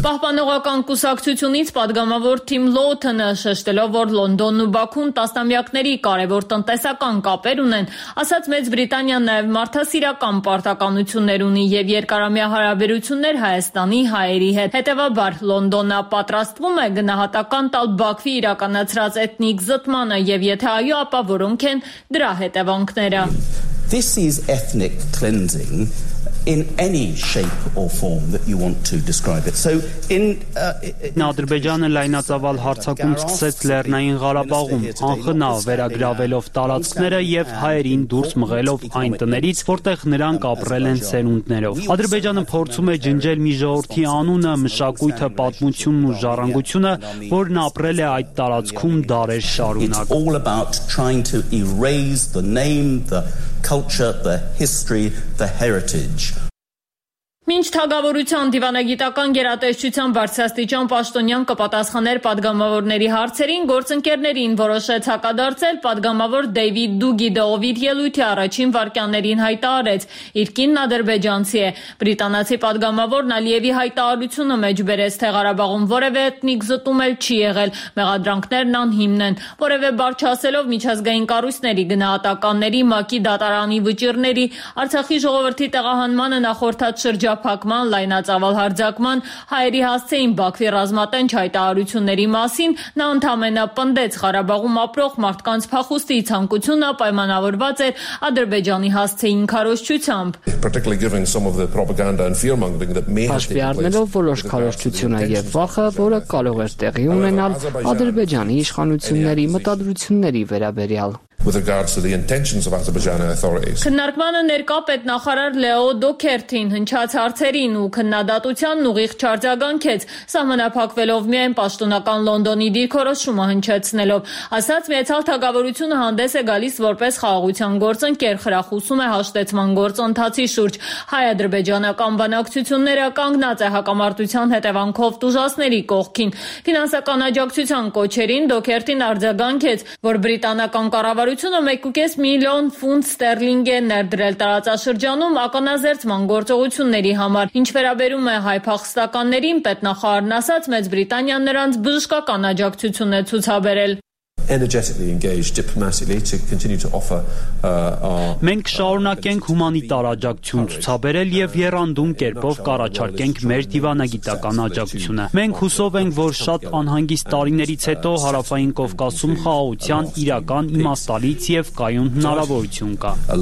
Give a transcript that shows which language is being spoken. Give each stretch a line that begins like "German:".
Armenian: Պահպանողական կուսակցությունից պատգամավոր Թիմ Լոթոնը, շեշտելով, որ Լոնդոնն ու Բաքուն տասնամյակների կարևոր տնտեսական կապեր ունեն, ասաց, Մեծ Բրիտանիան նաև մարդասիրական պարտականություններ ունի եւ երկարամյա հարաբերություններ Հայաստանի հայերի հետ։ Հետևաբար Լոնդոնը պատրաստվում է գնահատական տալ Բաքվի իրականացրած էթնիկ զտմանը, եւ եթե այո, ապա որոնք են դրա հետևանքները։
English: This is ethnic cleansing in any shape or form that you want to describe it. So in
Armenian: Ադրբեջանը լայնածավալ հարձակում սկսեց Լեռնային Ղարաբաղում, անխնա վերագրավելով տարածքները եւ հայերին դուրս մղելով այն տներից, որտեղ նրանք ապրել են սերունդներով։ Ադրբեջանը փորձում է ջնջել մի ժողովրդի անունը, մշակույթը, պատմությունն ու ժառանգությունը, որն ապրել է այդ տարածքում դարեր շարունակ։
English: It's all about trying to erase the name, the culture, the history, the heritage.
Armenian: Մինչ թագավորության դիվանագիտական գերատեսչության բարձրաստիճան Պաշտոնյան կպատասխաներ պատգամավորների հարցերին, գործընկերներին որոշեց հակադարձել պատգամավոր Դեյվիդ Դուգիդովի ելույթի առաջին վարկյաններին հայտարարեց, իր կինն ադրբեջանցի է։ Բրիտանացի պատգամավորն Ալիևի հայտարարությունը մեջբերեց, թե Ղարաբաղում որևէ էթնիկ զտում էլ չի եղել, մեղադրանքներն անհիմն են, որևէ բարձրացելով միջազգային կառույցների, գնահատականների, ՄԱԿ-ի դատարանի վճիռների, Արցախի ժողովրդի տեղահանմանը նախորդած շրջափակման, լայնածավալ հարձակման, հայերի հասցեին Բաքվի ռազմատենչ հայտարարությունների մասին նա ընդամենապնդեց Ղարաբաղում ապրող մարդկանց փախուստի ցանկությունը պայմանավորված էր Ադրբեջանի հասցեին քարոշչությամբ։ Հաշվի առնելով որոշ քարոշչությունը եւ վախը, որը կարող էր տեղի ունենալ Ադրբեջանի իշխանությունների մտադրությունների վերաբերյալ։
English: With regards to the intentions of Azerbaijani authorities.
Armenian: Քննարկման ներկա պետնախարար Լեո Դոքերտին հնչած հարցերին ու քննադատությանն ուղիղ չարձագանքեց, սահմանափակվելով միայն պաշտոնական Լոնդոնի դիրքորոշումը հնչեցնելով, ասաց՝ Միացյալ Թագավորությունը հանդես է գալիս որպես խաղաղության գործընկեր, խրախուսում է հաշտեցման գործընթացի շուրջ, հայ-ադրբեջանական բանակցությունները կանգնած է հակամարտության հետևանքով տուժածների կողքին։ Ֆինանսական աջակցության կոչերին Դոքերտին արձագանքեց, որ բրիտանական Կառավարությունը 1.5 միլիոն ֆունտ ստերլինգ է ներդրել տարածաշրջանում ականազերծման գործողությունների համար։ Ինչ վերաբերում է հայ-փախստականներին, պետնախարարն ասաց, Մեծ Բրիտանիան նրանց բժշկական աջակցություն է ցուցաբերել։
English: Energetically engaged diplomatically to continue to offer our
Armenian: Մենք շարունակենք հումանիտար աջակցություն ցուցաբերել եւ երանդուն կերպով կառաջարկենք մեր դիվանագիտական աջակցությունը։ Մենք հուսով ենք, որ շատ անհանգիստ տարիներից հետո Հարավային Կովկասում խաղաղության իրական իմաստալից եւ կայուն հնարավորություն կա։